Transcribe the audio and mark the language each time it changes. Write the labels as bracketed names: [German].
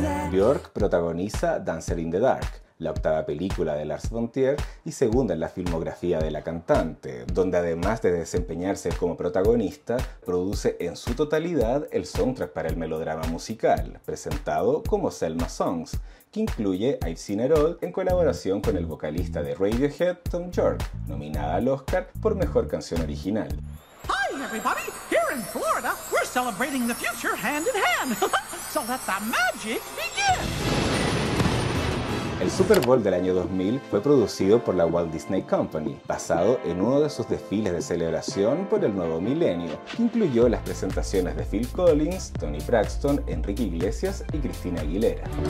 [Spanish] Björk protagoniza Dancer in the Dark, la 8ª película de Lars von Trier y 2ª en la filmografía de la cantante, donde además de desempeñarse como protagonista, produce en su totalidad el soundtrack para el melodrama musical, presentado como Selma Songs, que incluye I've Seen It All en colaboración con el vocalista de Radiohead, Thom Yorke, nominada al Oscar por Mejor Canción Original. [English] Hi everybody, here in Florida, we're celebrating the future hand in hand. So let the magic begin. [Spanish] El Super Bowl del año 2000 fue producido por la Walt Disney Company, basado en uno de sus desfiles de celebración por el nuevo milenio, que incluyó las presentaciones de Phil Collins, Toni Braxton, Enrique Iglesias y Christina Aguilera.